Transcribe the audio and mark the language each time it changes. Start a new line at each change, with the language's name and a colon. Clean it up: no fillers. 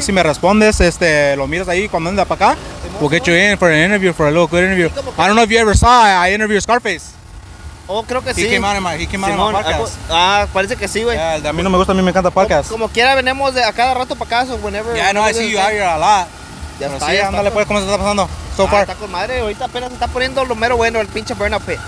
Spanish: Ahí si me respondes, lo miras ahí cuando andas para acá.
English: We'll get you in for an interview, for a little good interview. I don't know if you ever saw, I interviewed Scarface.
Spanish: Oh, creo que
English: sí. He came out of my podcast.
Spanish: Parece que sí, güey. Yeah, a mí no me gusta, a mí me encanta podcast. Como quiera, venemos a cada rato para casa, whenever.
English: Yeah, I know, I see you out here a lot.
Spanish: Ya pero está, sí, ya ándale, está. Pues, ¿cómo se está pasando
English: so far?
Spanish: Está con madre, ahorita apenas se está poniendo lo mero bueno, el pinche burn up pit.